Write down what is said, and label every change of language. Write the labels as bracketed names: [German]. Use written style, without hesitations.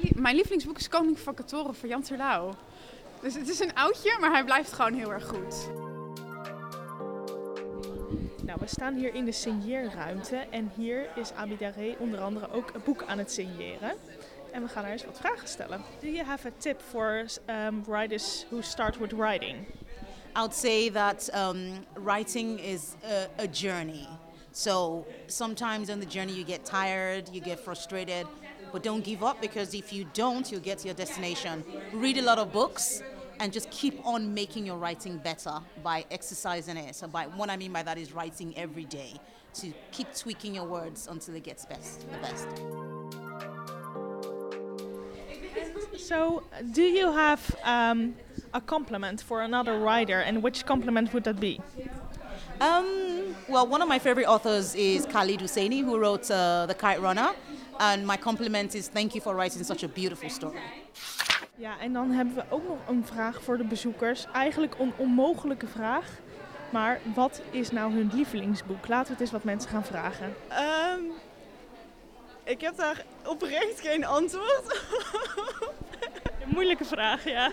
[Dutch] Mijn lievelingsboek is Koning van Katoren van Jan Terlouw. Dus het is een oudje, maar hij blijft gewoon heel erg goed. Nou, we staan hier in de signeerruimte. En hier is Abi Daré onder andere ook een boek aan het signeren. En we gaan haar eens wat vragen stellen. [English] Do you have a tip for writers who start with writing? I'd say that writing is a journey. So sometimes on the journey you get tired, you get frustrated, but don't give up, because if you don't, you'll get to your destination. Read a lot of books and just keep on making your writing better by exercising it. So by what I mean by that is writing every day, to keep tweaking your words until it gets best, the best. So, do you have a compliment for another writer, and which compliment would that be? One of my favorite authors is Khalid Hosseini, who wrote The Kite Runner. And my compliment is thank you for writing such a beautiful story. [Dutch] Ja, en dan hebben we ook nog een vraag voor de bezoekers. Eigenlijk een onmogelijke vraag, maar wat is nou hun lievelingsboek? Laten we het eens wat mensen gaan vragen. Ik heb daar oprecht geen antwoord op. Een moeilijke vraag, ja.